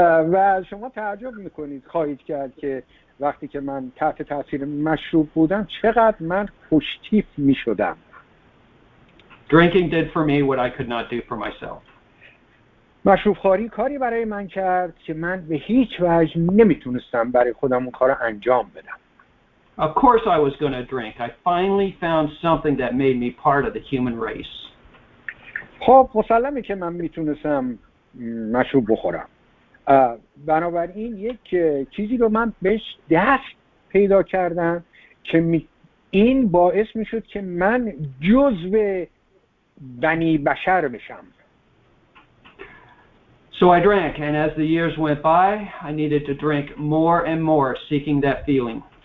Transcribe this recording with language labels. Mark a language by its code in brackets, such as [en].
[fa] و شما تعجب میکنید، خواهید کرد که وقتی که من تحت تاثیر مشروب بودم چقدر من خوشتیپ میشدم. [en] Drinking did for me what I could not do for myself. [fa] مشروب خوری کاری برای من کرد که من به هیچ وجه نمیتونستم برای خودم اون کارو انجام بدم. [en] Of course I was going to drink. I finally found something that made me part of the human race. [fa] خب مسلمه که من میتونستم مشروب بخورم. بنابراین یک چیزی رو من بهش دست پیدا کردم که این باعث میشد که من جزو بنی بشر بشم. [en] So I drank, and as the years went by, I needed to drink more and more, seeking that feeling.